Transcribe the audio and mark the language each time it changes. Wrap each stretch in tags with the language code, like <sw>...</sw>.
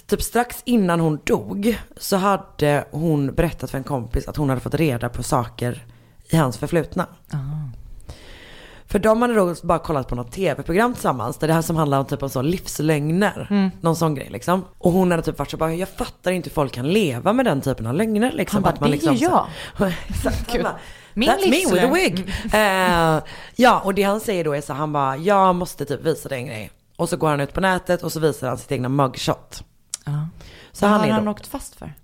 <sv>Typ strax innan hon dog så hade hon berättat för en kompis att hon hade fått reda på saker i hans förflutna. För de hade då bara kollat på något tv-program tillsammans där det här som handlar om typ om så livslögner. Mm. Någon sån grej liksom. Och hon hade typ varit så bara, jag fattar inte hur folk kan leva med den typen av lögner. Liksom. Han bara, att man, det liksom, är ju jag. Så, bara,</sv> <en>that's me with a wig.</en> <sv>Ja, och det han säger då är så, han bara, jag måste typ visa dig en grej. Och så går han ut på nätet och så visar han sitt egna mugshot. Så han har han åkt fast för?</sv>